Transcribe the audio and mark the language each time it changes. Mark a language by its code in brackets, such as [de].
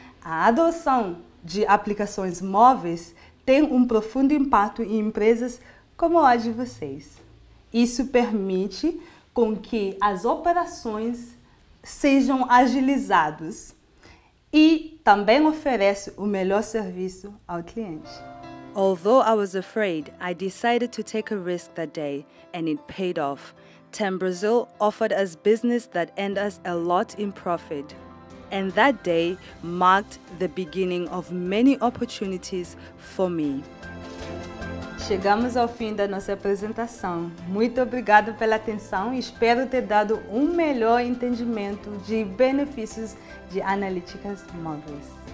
[pt] A adoção de aplicações móveis tem profundo impacto em empresas como a de vocês. Isso permite com que as operações sejam agilizadas e também oferece o melhor serviço ao cliente. [en] Although I was afraid, I decided to take a risk that day, and it paid off. TEM Brazil offered us business that earned us a lot in profit. And that day marked the beginning of many opportunities for me. [pt] Chegamos ao fim da nossa apresentação. Muito obrigada pela atenção e espero ter dado melhor entendimento de benefícios de analíticas móveis.